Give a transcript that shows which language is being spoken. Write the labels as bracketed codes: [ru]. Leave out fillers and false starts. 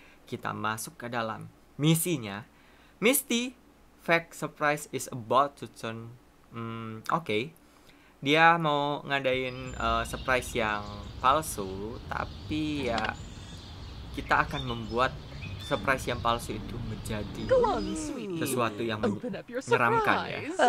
[id] Kita masuk ke dalam misinya. [en] Misty, fake surprise is about to turn. Okay. [id] Dia mau ngadain surprise yang palsu, tapi ya kita akan membuat surprise yang palsu itu menjadi sesuatu yang menyeramkan ya.